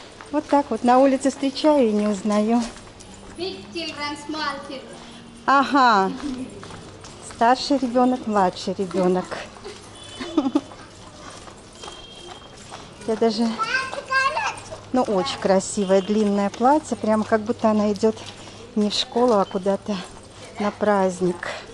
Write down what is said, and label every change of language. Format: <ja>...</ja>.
<ru>Вот так вот на улице встречаю и не узнаю.</ru> <en>Big children, small children.</en> <ru>Ага. Старший ребенок, младший ребенок. Я даже... Ну, очень красивое длинное платье. Прямо как будто она идет не в школу, а куда-то на праздник.</ru>